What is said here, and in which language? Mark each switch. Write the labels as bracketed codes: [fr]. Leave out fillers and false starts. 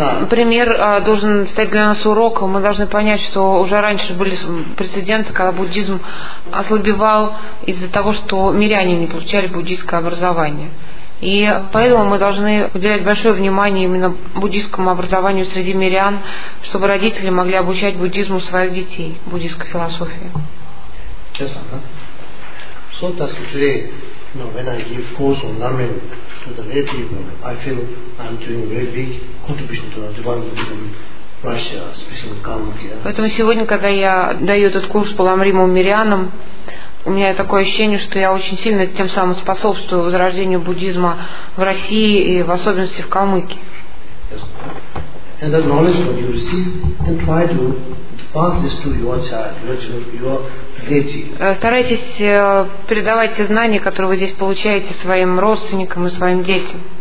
[ru] Пример должен стать для нас уроком. Мы должны понять, что уже раньше были прецеденты, когда буддизм ослабевал из-за того, что миряне не получали буддийское образование. И поэтому мы должны уделять большое внимание именно буддийскому образованию среди мирян, чтобы родители могли обучать буддизму своих детей, буддийской философии. [en] Yes, uh-huh. So that's today, you know, when I give course on Namrin to the lay people, I feel I'm doing a very big contribution to the divine Buddhism in Russia, especially in Kalmykia. [ru] Поэтому сегодня, когда я даю этот курс по ламриму мирянам, у меня такое ощущение, что я очень сильно тем самым способствую возрождению буддизма в России и в особенности в Калмыкии. [en] Yes, uh-huh. And that knowledge that you receive and try to pass this to your child, your [ru] старайтесь передавать те знания, которые вы здесь получаете своим родственникам и своим детям.